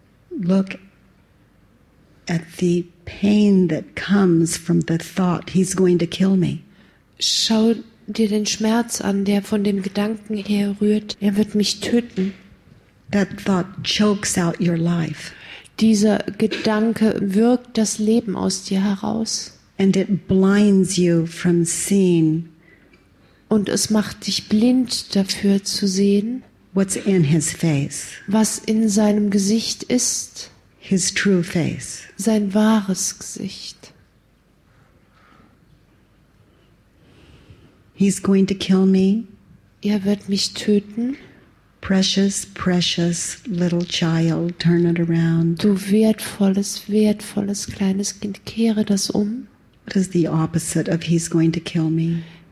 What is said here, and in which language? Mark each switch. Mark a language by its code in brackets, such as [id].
[en] Look at the pain that comes from the thought he's going to kill me. [de] Schau dir den Schmerz an, der von dem Gedanken her rührt. Er wird mich töten. [en] That thought chokes out your life. [de] Dieser Gedanke wirkt das Leben aus dir heraus. [en] And it blinds you from seeing. [de] Und es macht dich blind dafür zu sehen. [en] What's in his face? [de] Was in seinem Gesicht ist? [en] His true face. [de] Sein wahres Gesicht. [en] He's going to kill me. [de] Er wird mich töten. [en] Precious, precious little child, turn it around. [de] Du wertvolles, wertvolles kleines Kind, kehre das um. [en] What is the opposite of he's going to kill me?